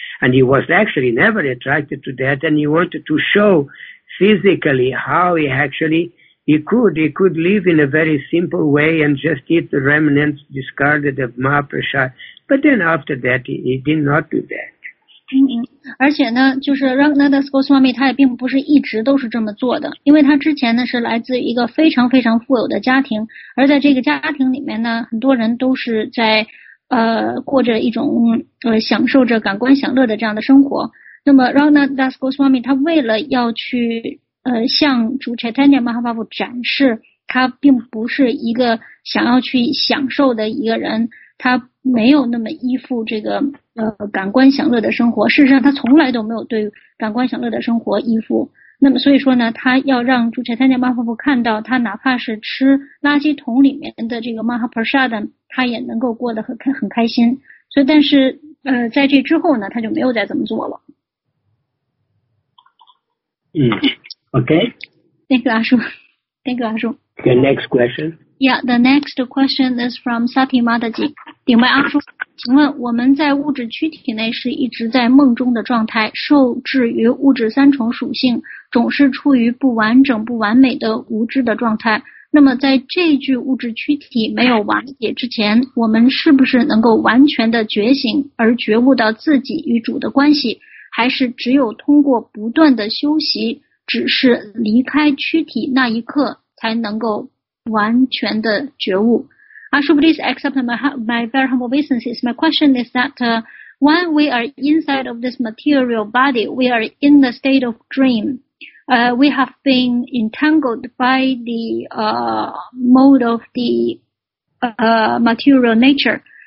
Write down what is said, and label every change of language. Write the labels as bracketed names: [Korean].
[English] And he was actually never attracted to that. And he wanted to show physically how he could live in a very simple way and just eat the remnants discarded of Mahaprasad. But then after that, he did not do that. [Chinese] 而且呢，就是 Ragnanda Goswami 他也并不是一直都是这么做的，因为他之前呢是来自一个非常非常富有的家庭，而在这个家庭里面呢，很多人都是在过着一种享受着感官享乐的这样的生活。那么 Ragnanda Goswami 他为了要去向主 Chaitanya Mahaprabhu 展示他并不是一个想要去享受的一个人，他没有那么依附这个感官享乐的生活，事实上他从来都没有对感官享乐的生活依附。那么所以说呢，他要让主 Chaitanya Mahaprabhu 看到他哪怕是吃垃圾桶里面的这个 Mahaprasad 他也能够过得很开心。所以但是在这之后呢，他就没有再这么做了。 [English] Okay. Thank you, Ashu. Thank you, Ashu. The next question. Yeah, the next question is from Sati Mataji. [Chinese] 顶位阿叔，请问我们在物质躯体内是一直在梦中的状态，受制于物质三重属性，总是处于不完整、不完美的无知的状态。那么在这具物质躯体没有瓦解之前，我们是不是能够完全的觉醒而觉悟到自己与主的关系？还是只有通过不断的修习，只是离开躯体那一刻才能够完全的觉悟。 [English] Ashu, please accept my very humble obeisances. My question is that when we are inside of this material body, we are in the state of dream. We have been entangled by the mode of the material nature.